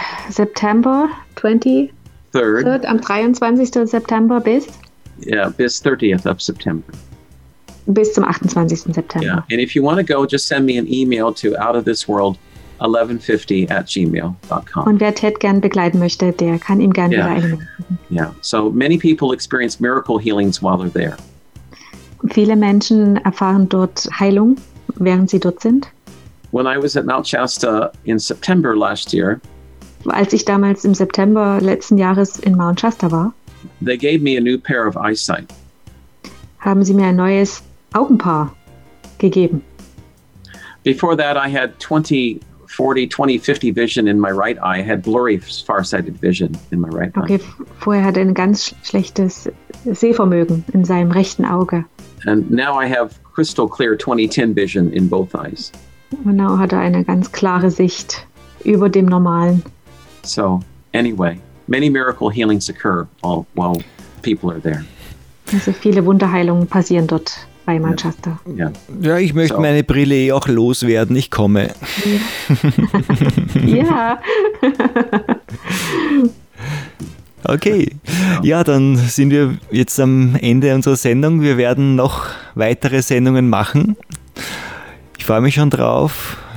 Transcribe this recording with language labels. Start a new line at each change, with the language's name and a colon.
English: September 23rd.
German: Am 23. September bis?
English: Yeah, bis 30th of September.
German: Bis zum 28. September. Yeah.
English: And if you want to go, just send me an email to outofthisworld1150@gmail.com.
German: Und wer Ted gern begleiten möchte, der kann ihm gerne wieder einladen.
English: Yeah, so many people experience miracle healings while they're there.
German: Viele Menschen erfahren dort Heilung, während sie dort sind.
English: When I was at Mount Shasta in September last year,
German: als ich damals im September letzten Jahres in Mount Shasta war,
English: they gave me a new pair of eyesight.
German: Haben sie mir ein neues Augenpaar gegeben.
English: Before that I had 20/40, 20/50 vision in my right eye. I had blurry, farsighted vision in my right eye.
German: Okay, vorher hatte er ein ganz schlechtes Sehvermögen in seinem rechten Auge.
English: And now I have crystal clear 2010 vision in both eyes.
German: Genau, hat er eine ganz klare Sicht über dem Normalen.
English: So, anyway, many miracle healings occur all while people are there.
German: Also viele Wunderheilungen passieren dort bei Manchester. Ja, ich möchte meine Brille eh auch loswerden. Ich komme. Ja. Okay. Ja, dann sind wir jetzt am Ende unserer Sendung. Wir werden noch weitere Sendungen machen. Ich freue mich schon drauf.